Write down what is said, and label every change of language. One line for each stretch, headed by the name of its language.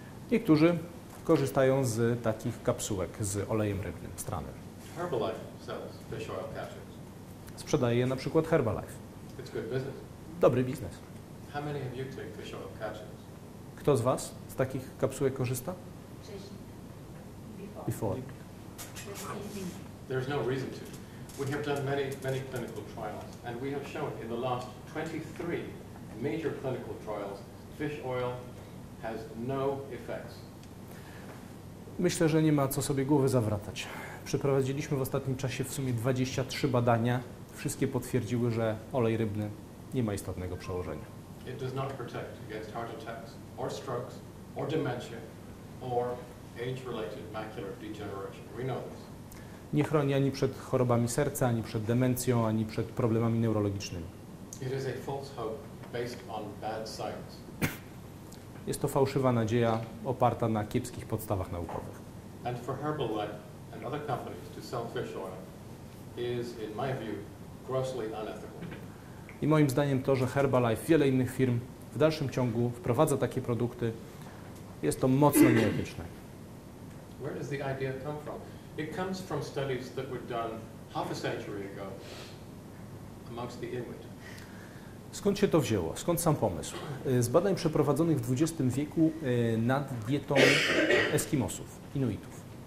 Polish: Niektórzy korzystają z takich kapsułek z olejem rybnym, z tranem.
English: Herbalife sells fish oil capsules.
Polish: Sprzedaje je na przykład Herbalife.
English: It's good business.
Polish: Dobry biznes.
English: How many of you take fish oil capsules?
Polish: Kto z was z takich kapsułek korzysta?
English: Before. There's no reason to. We have done many, many clinical trials, and we have shown in the last 23 major clinical trials, fish oil has no effects.
Polish: Myślę, że nie ma co sobie głowy zawracać. Przeprowadziliśmy w ostatnim czasie w sumie 23 badania. Wszystkie potwierdziły, że olej rybny nie ma istotnego przełożenia.
English: It does not protect against heart attacks, or strokes, or dementia, or age-related macular degeneration. We know this.
Polish: Nie chroni ani przed chorobami serca, ani przed demencją, ani przed problemami neurologicznymi.
English: It is a false hope based on bad science.
Polish: Jest to fałszywa nadzieja oparta na kiepskich podstawach naukowych.
English: And for Herbalife and other companies to sell fish oil is, in my view, grossly unethical.
Polish: I moim zdaniem to, że Herbalife, wiele innych firm w dalszym ciągu wprowadza takie produkty, jest to mocno nieetyczne.
English: Where does the idea come from? It comes from studies that were done half a century ago amongst the Inuit.
Polish: Skąd się to wzięło? Skąd sam pomysł? Z badań przeprowadzonych w XX wieku nad dietą Eskimosów, Inuitów.